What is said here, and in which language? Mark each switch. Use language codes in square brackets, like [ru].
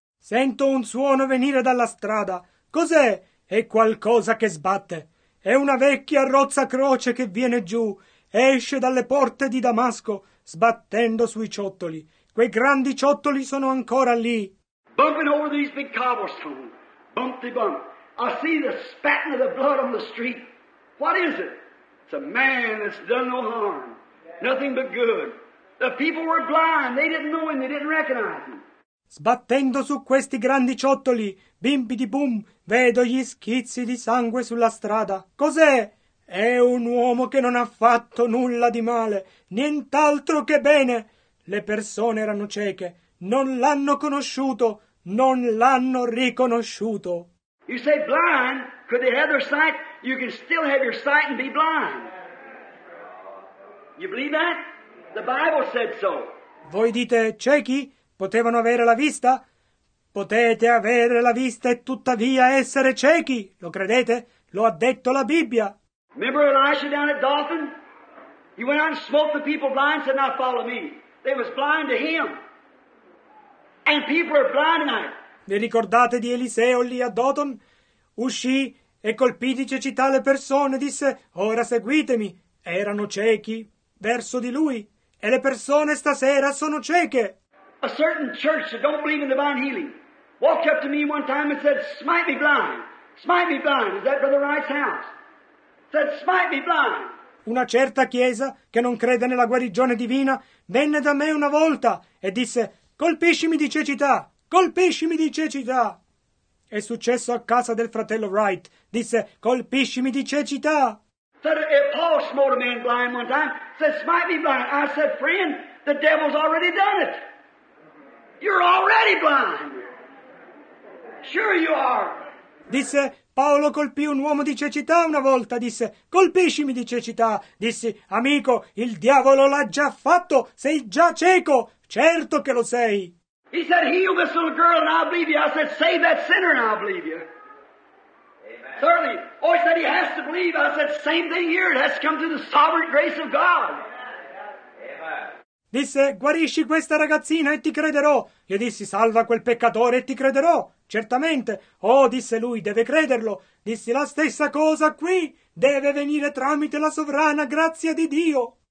[it] Sento un suono venire dalla strada. Cos'è? È qualcosa che sbatte. È una vecchia rozza croce che viene giù. Esce dalle porte di Damasco, sbattendo sui ciottoli. Quei grandi ciottoli sono ancora lì. [en] Bumping over these big cobblestones. Bumpty bump. I see the spatting of the blood on the street. What is it? It's a man that's done no harm. Nothing but good. The people were blind. They didn't know him. They didn't recognize him. [it] Sbattendo su questi grandi ciottoli, bimbidi bum, vedo gli schizzi di sangue sulla strada. Cos'è? È un uomo che non ha fatto nulla di male, nient'altro che bene. Le persone erano cieche, non l'hanno conosciuto, non l'hanno riconosciuto. [en] You say blind, could they have their sight? You can still have your sight and be blind. You believe that? The Bible said so. [it] Voi dite ciechi? Potevano avere la vista? Potete avere la vista e tuttavia essere ciechi, lo credete? Lo ha detto la Bibbia. [en] Remember Elisha down at Dothan? He went out and smote the people blind and said, now follow me. They was blind to him. And people are blind tonight. [it] Vi ricordate di Eliseo lì a Dothan? Uscì e colpì di cecità le persone, disse, ora seguitemi. Erano ciechi verso di lui e le persone stasera sono cieche. [en] A certain church that don't believe in divine healing walked up to me one time and said, smite me blind, smite me blind. Is that Brother Wright's house? Said, smite me blind. [it] Una certa chiesa che non crede nella guarigione divina venne da me una volta e disse, colpiscimi di cecità, colpiscimi di cecità. È successo a casa del fratello Wright. Disse, colpiscimi di cecità. [en] Said, Paul smote a man blind one time. Said, smite me blind. I said, friend, the devil's already done it. You're already blind. Sure you are. [it] Disse, Paolo colpì un uomo di cecità una volta. Disse, colpiscimi di cecità. Dissi, amico, il diavolo l'ha già fatto. Sei già cieco. Certo che lo sei. [en] He said, heal this little girl and I'll believe you. I said, save that sinner and I'll believe you. Amen. Certainly. Oh, he said, he has to believe. I said, same thing here. It has to come through the sovereign grace of God. [it] Disse, guarisci questa ragazzina e ti crederò. Io dissi, salva quel peccatore e ti crederò. Certamente. Oh, disse lui, deve crederlo. Dissi, la stessa cosa qui. Deve venire tramite la sovrana grazia di Dio.